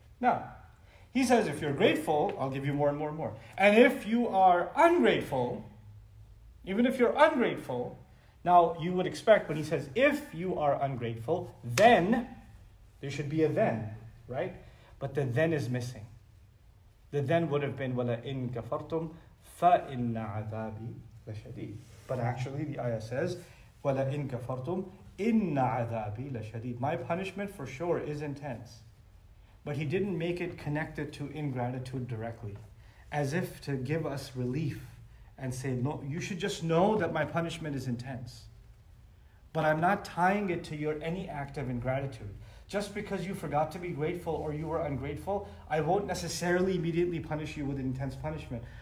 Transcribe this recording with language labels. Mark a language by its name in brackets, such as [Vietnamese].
[English] Now, he says, if you're grateful, I'll give you more and more and more. And if you are ungrateful, even if you're ungrateful, now you would expect when he says, if you are ungrateful, then there should be a then, right? But the then is missing. [Arabic] The then would have been, وَلَا إِن كَفَرْتُمْ فَإِنَّ عَذَابِي لَشَدِيدٌ. But actually the ayah says, وَلَا إِن كَفَرْتُمْ إِنَّ عَذَابِي لَشَدِيدٌ. [English] My punishment for sure is intense. But he didn't make it connected to ingratitude directly, as if to give us relief and say, no, you should just know that my punishment is intense. But I'm not tying it to your any act of ingratitude. Just because you forgot to be grateful or you were ungrateful, I won't necessarily immediately punish you with an intense punishment.